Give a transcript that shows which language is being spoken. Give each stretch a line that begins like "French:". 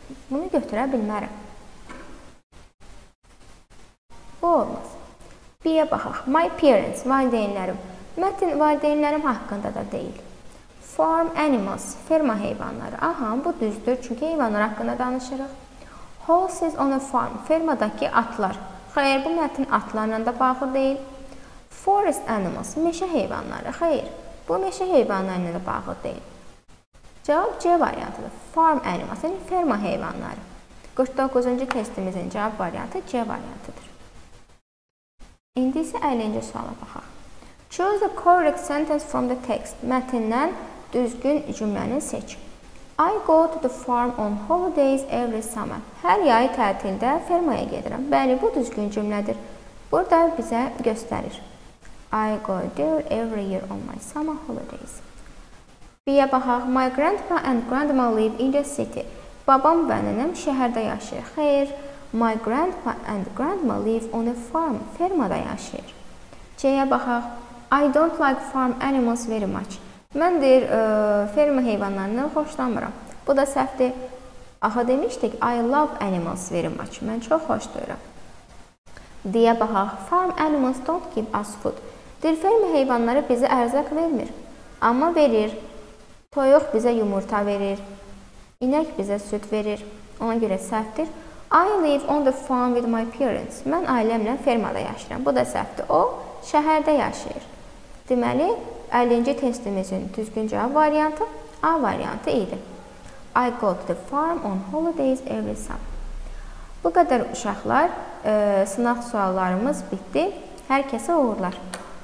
Azerbaijani: Bunu götürə bilmərəm. Bu olmaz. B-yə baxaq.
English: My parents.
Azerbaijani: Valideynlərim. Mətn valideynlərim haqqında da deyil.
English: Farm animals,
Azerbaijani: ferma heyvanları. Aha, bu düzdür, çünki heyvanlar haqqında danışırıq.
English: Horses on a farm,
Azerbaijani: fermadakı atlar. Xeyr, bu mətn atlarla da bağlı deyil.
English: Forest animals,
Azerbaijani: meşə heyvanları. Xeyr, bu meşə heyvanlarla da bağlı deyil. Cavab C variantıdır.
English: Farm animals,
Azerbaijani: yəni ferma heyvanları. 49-cu testimizin cavab variantı C variantıdır. İndi isə 50-ci suala baxaq.
English: Choose the correct sentence from the text.
Azerbaijani: Mətindən düzgün cümləni seç.
English: I go to the farm on holidays every summer.
Azerbaijani: Hər yay tətildə fermaya gedirəm. Bəli, bu düzgün cümlədir. Burada bizə göstərir.
English: I go there every year on my summer holidays.
Azerbaijani: B-yə baxaq.
English: My grandpa and grandma live in the city.
Azerbaijani: Babam və nənəm şəhərdə yaşayır.
English: Xeyr, my grandpa and grandma live on a farm.
Azerbaijani: Fermada yaşayır. C-yə baxaq.
English: I don't like farm animals very much.
Azerbaijani: Mən deyir, ferma heyvanlarını xoşlamıram. Bu da səhvdir. Aha demişdik,
English: I love animals very much.
Azerbaijani: Mən çox xoşlayıram. Deyə baxaq,
English: farm animals don't give us food.
Azerbaijani: Deyir, ferma heyvanları bizə ərzaq vermir. Amma verir. Toyuq bizə yumurta verir. İnək bizə süt verir. Ona görə səhvdir.
English: I live on the farm with my parents.
Azerbaijani: Mən ailəmlə fermada yaşayıram. Bu da səhvdir. O, şəhərdə yaşayır. Deməli, 50-ci testimizin düzgün cavab variantı A variantı idi.
English: I go to the farm on holidays every summer.
Azerbaijani: Bu qədər uşaqlar, sınaq suallarımız bitdi. Hər kəsə uğurlar.